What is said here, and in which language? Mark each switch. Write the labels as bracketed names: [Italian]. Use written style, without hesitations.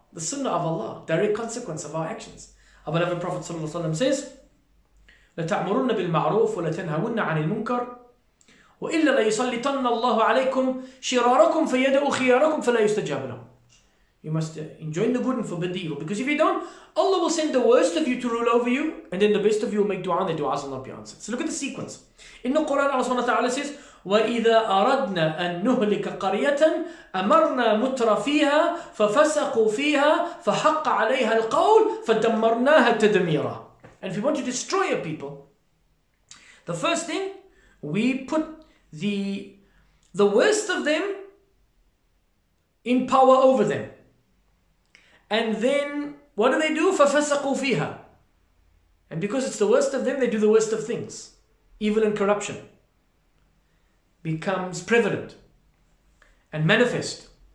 [English] The sunnah of Allah, direct consequence of our actions. Our beloved Prophet sallallahu alayhi wa sallam says, [Arabic] لَتَعْمُرُنَّ بِالْمَعْرُوفُ وَلَتَنْهَوُنَّ عَنِ الْمُنْكَرِ وَإِلَّا لَيُسَلِّطَنَّ اللَّهُ عَلَيْكُمْ شِرَارَكُمْ فَيَدَعُوا خِيَارَكُمْ فَلَا يُسْتَجَابَ لَهُمْ. [English] You must enjoin the good and forbid the evil. Because if you don't, Allah will send the worst of you to rule over you, and then the best of you will make dua, and the du'as will not be answered. So look at the sequence. In the Quran, Allah subhanahu wa ta'ala says, [Arabic] وَإِذَا أَرَدْنَا أَن نُهْلِكَ قَرْيَةً أَمَرْنَا مُتْرَفِيهَا فَفَسَقُوا فِيهَا فَحَقَّ عَلَيْهَا الْقَوْلُ فَدَمَّرْنَاهَا تَدْمِيرًا. [English] And if you want to destroy a people, the first thing, we put the worst of them in power over them. And then, what do? [Arabic] فَفَسَقُوا فِيهَا. [English] And because it's the worst of them, they do the worst of things. Evil and corruption becomes prevalent and manifest.